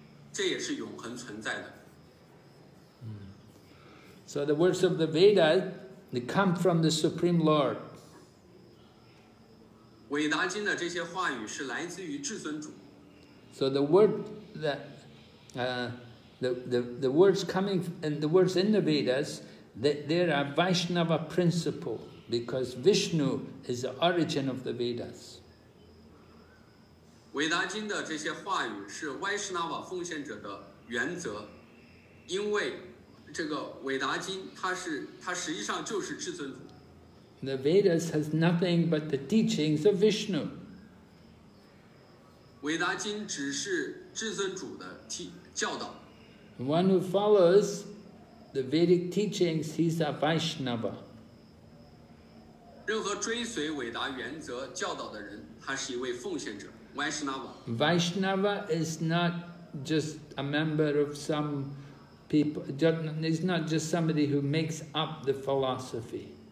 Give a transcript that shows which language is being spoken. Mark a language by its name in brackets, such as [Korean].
[Chinese] 因此，他给出的教导，这些，这也是永恒存在的。 [English] So the words of the Veda, they come from the Supreme Lord. [Chinese] 伟达经的这些话语是来自于至尊主。 [English] So the word the words coming and the words in the Vedas, that there are Vaishnava principle, because Vishnu is the origin of the Vedas. [Chinese] 维达经的这些话语是歪士纳瓦奉献者的原则，因为这个维达经它实际上就是至尊主。 [English] The Vedas has nothing but the teachings of Vishnu. [Chinese] 维达经只是至尊主的教导。 [English] One who follows the Vedic teachings, he's a Vaishnava. [Chinese] 任何追随维达原则教导的人，他是一位奉献者。 [English] Vaishnava is not just a member of some people, it's not just somebody who makes up the philosophy.